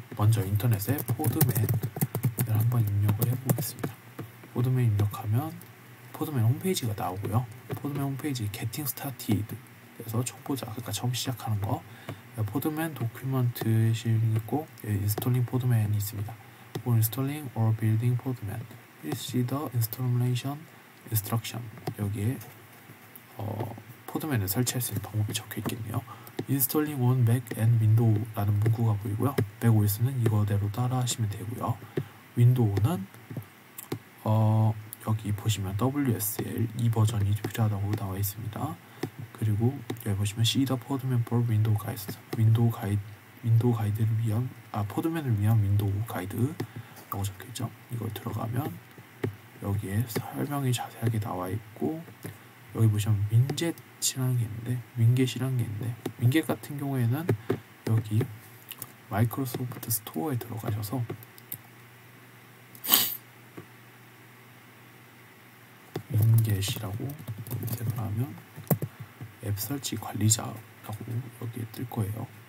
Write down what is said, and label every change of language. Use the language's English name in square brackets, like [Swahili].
[Korean] 먼저 인터넷에 포드맨을 한번 입력을 해보겠습니다. 포드맨 입력하면 포드맨 홈페이지가 나오고요. 포드맨 홈페이지 Getting Started에서 초보자, 그러니까 처음 시작하는 거, 포드맨 도큐먼트 있고 인스톨링 포드맨이 있습니다. [English] For installing or building Podman, please see the installation instruction. [Korean] 여기에 포드맨을 설치할 수 있는 방법이 적혀 있겠네요. [English] Installing on Mac and Windows [Korean] 라는 문구가 보이고요. MacOS는 이거대로 따라 하시면 되고요. Windows는 여기 보시면 WSL 2 버전이 필요하다고 나와 있습니다. 그리고 여기 보시면 [English] See the Podman for Windows Guide. [Korean] Windows 가이드를 위한 포드맨을 위한 윈도우 가이드라고 적혀있죠. 이걸 들어가면 여기에 설명이 자세하게 나와있고, 여기 보시면 윈겟이라는 게 있는데 윈겟 같은 경우에는 여기 마이크로소프트 스토어에 들어가셔서 윈겟이라고 검색을 하면 앱 설치 관리자라고 여기에 뜰 거예요.